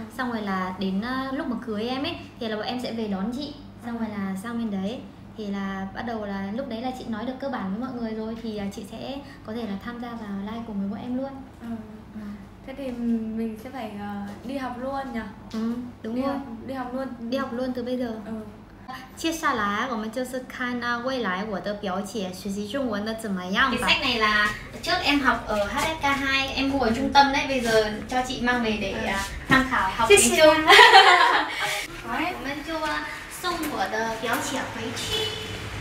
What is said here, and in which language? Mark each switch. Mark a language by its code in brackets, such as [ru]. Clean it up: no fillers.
[vi] Xong rồi là đến lúc mà cưới em ấy thì là bọn em sẽ về đón chị, xong rồi là sang bên đấy thì là bắt đầu là lúc đấy là chị nói được cơ bản với mọi người rồi, thì chị sẽ có thể là tham gia vào live cùng với bọn em luôn. Thế thì mình sẽ phải đi học luôn nhỉ? Đúng đi rồi. Đi học luôn từ bây giờ. [zh] 接下来我们就是看 未来我的表姐学习中文的怎么样吧。 [vi] cái sách này là trước em học ở HSK2, em mua ở trung tâm đấy, bây giờ cho chị mang về để tham khảo học tiếng Trung. [zh] 我们就送我的表姐回去。